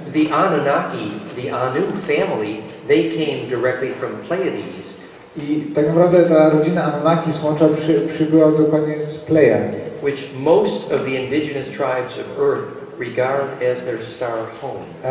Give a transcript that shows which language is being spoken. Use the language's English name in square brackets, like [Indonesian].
[English] The Anunnaki, the Anu family, they came directly from Pleiades. [Polish] I tak naprawdę ta rodzina Anunnaki smocza przybyła dokładnie z Pleiad. [English] Which most of the indigenous tribes of Earth regard as their star home.